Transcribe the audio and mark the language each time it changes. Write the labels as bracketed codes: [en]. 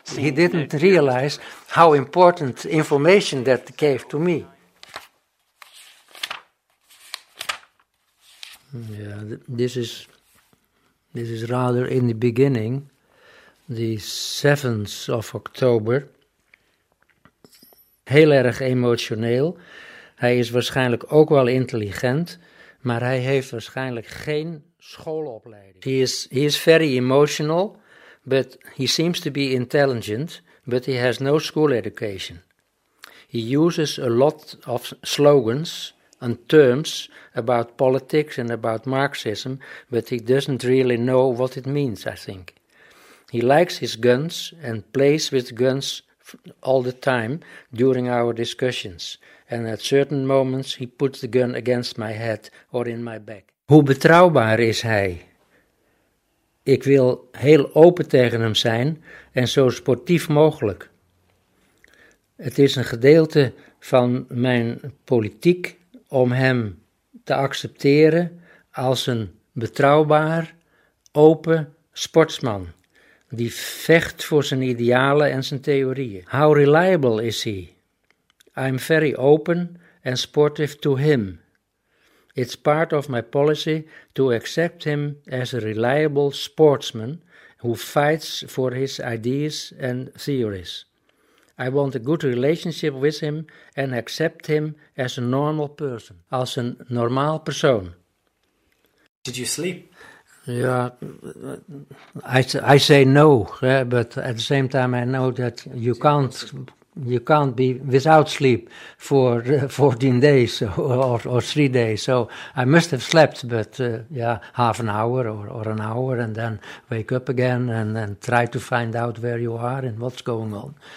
[en] He didn't realize how important information that gave to me. Yeah, this is rather in the beginning, the 7th of October... [nl] Heel erg emotioneel. Hij is waarschijnlijk ook wel intelligent, maar hij heeft waarschijnlijk geen schoolopleiding. [en] He is very emotional, but he seems to be intelligent, but he has no school education. He uses a lot of slogans and terms about politics and about Marxism, but he doesn't really know what it means, I think. He likes his guns and plays with guns all the time during our discussions, and at certain moments he puts the gun against my head or in my back. [nl] Hoe betrouwbaar is hij? Ik wil heel open tegen hem zijn en zo sportief mogelijk. Het is een gedeelte van mijn politiek om hem te accepteren als een betrouwbaar, open sportsman. Die vecht voor zijn idealen en zijn theorieën. [en] How reliable is he? I'm very open and sportive to him. It's part of my policy to accept him as a reliable sportsman who fights for his ideas and theories. I want a good relationship with him and accept him as a normal person. [nl] Als een normaal persoon. [en] Did you sleep? Yeah, I say no, but at the same time I know that you can't you can't be without sleep for 14 days or 3 days. So I must have slept, but half an hour or an hour, and then wake up again and try to find out where you are and what's going on.